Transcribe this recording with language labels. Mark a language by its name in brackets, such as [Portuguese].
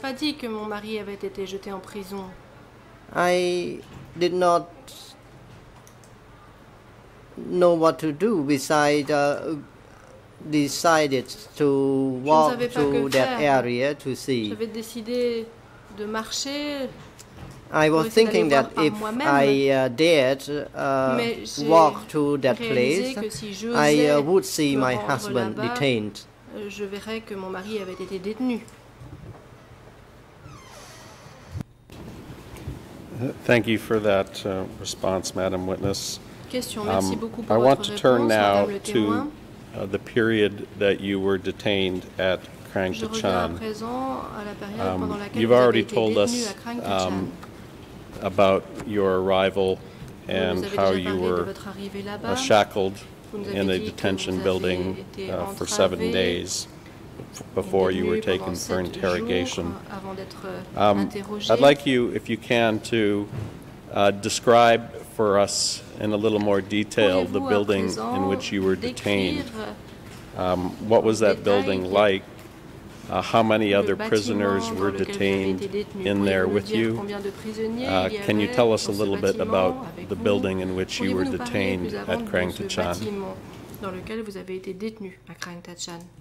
[French] Elle m'a pas dit que mon mari avait été jeté en prison. [English] I did not know what to do besides decided to walk to that area to see. [French] J'avais décidé de marcher. [English] I was thinking that if I dared walk to that place, I would see my husband detained. [French] Je verrais que mon mari avait été détenu. [English] Thank you for that response, Madam Witness. [French] Question, merci beaucoup pour votre [English] I want [French] réponse, [English] to turn now [French] Madame le [English] to the period that you were detained at Krang Ta Chan. You've already told us about your arrival and how you were shackled in a detention building for 7 days before you were taken for interrogation. I'd like you, if you can, to describe for us in a little more detail the building in which you were detained. What was that building like? How many other prisoners were detained in there with you? Can you tell us a little bit about the building in which you were detained at Krang Ta Chan? [French] dans lequel vous avez été détenu à Krang Tachan.